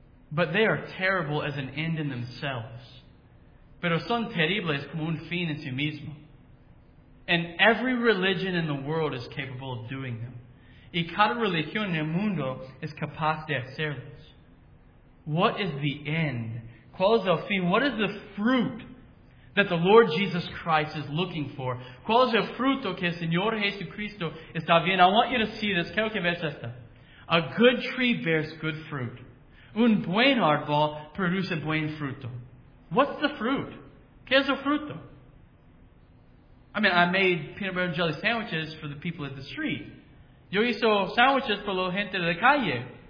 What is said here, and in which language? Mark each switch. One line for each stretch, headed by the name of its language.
English: But they are terrible as an end in themselves.
Spanish: Pero son terribles como un fin en sí mismo.
English: And every religion in the world is capable of doing them.
Spanish: Y cada religión en el mundo es capaz de hacerlos.
English: What is the end?
Spanish: ¿Cuál es el fin?
English: What is the fruit that the Lord Jesus Christ is looking for?
Spanish: ¿Cuál es el fruto que el Señor Jesucristo está viendo?
English: I want you to see this.
Spanish: Quiero que veas esto.
English: A good tree bears good fruit.
Spanish: Un buen árbol produce buen fruto.
English: What's the fruit?
Spanish: ¿Qué es el fruto?
English: I mean, I made peanut butter and jelly sandwiches for the people at the street.
Spanish: Yo hizo sandwiches para la gente de la calle.